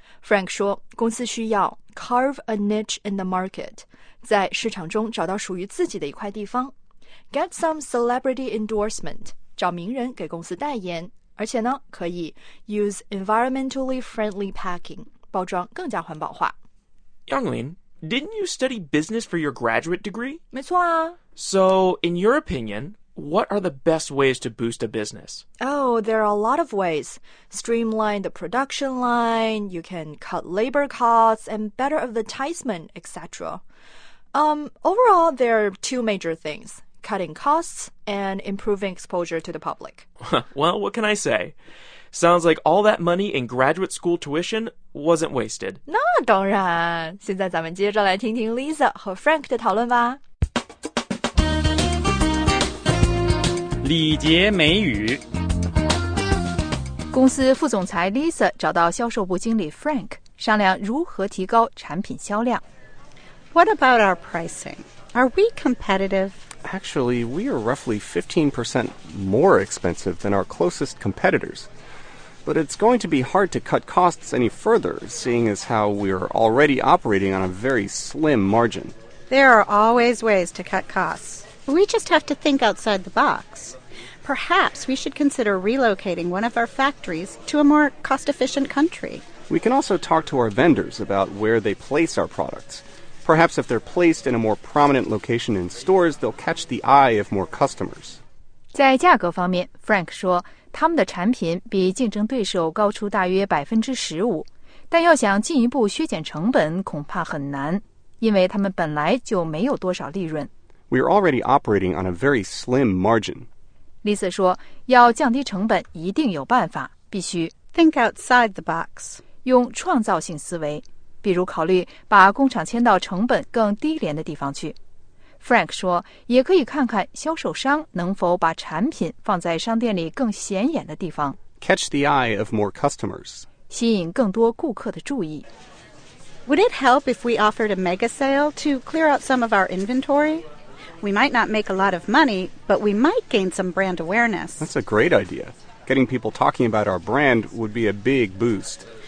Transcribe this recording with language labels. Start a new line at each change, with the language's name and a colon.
Chinese: Frank 说，公司需要
English: carve a niche in the market，
Chinese: 在市场中找到属于自己的一块地方 ，
English: get some celebrity endorsement，
Chinese: 找名人给公司代言，而且呢，可以
English: use environmentally friendly packing，
Chinese: 包装更加环保化。
English: Younglin， didn't you study business for your graduate degree？
Chinese: 没错啊。
English: So in your opinion。 What are the best ways to boost a business? Oh, there are a lot of ways. Streamline the production line, you can cut labor costs, and better advertisement, etc. Overall, there are two major things, cutting costs and improving exposure to the public. Well, what can I say? Sounds like all that money in graduate school tuition wasn't wasted.
Chinese: 那当然，现在咱们接着来听听 Lisa 和 Frank 的讨论吧。礼节美语。公司副总裁 Lisa 找到销售部经理 Frank， 商量如何提高产品销量。
English: What about our pricing? Are we competitive? Actually, we are roughly 15% more expensive than our closest competitors. But it's going to be hard to cut costs any further, seeing as how we are already operating on a very slim margin. There are always ways to cut costs. We just have to think outside the box. Perhaps we should consider relocating one of our factories to a more cost-efficient country. We can also talk to our vendors about where they place our products. Perhaps if they're placed in a more prominent location in stores, they'll catch the eye of more customers.
Chinese: 在价格方面 ,Frank 说他们的产品比竞争对手高出大约 15%, 但要想进一步削减成本恐怕很难,因为他们本来就没有多少利润。
English: We are already operating on a very slim margin.
Chinese: Lisa 说要降低成本一定有办法，必须
English: think outside the box.
Chinese: 用创造性思维，比如考虑把工厂迁到成本更低廉的地方去。 Frank 说也可以看看销售商能否把产品放在商店里更显眼的地方。
English: Catch the eye of more customers.
Chinese: 吸引更多顾客的注意。
English: Would it help if we offered a mega sale to clear out some of our inventory? We might not make a lot of money, but we might gain some brand awareness. That's a great idea. Getting people talking about our brand would be a big boost.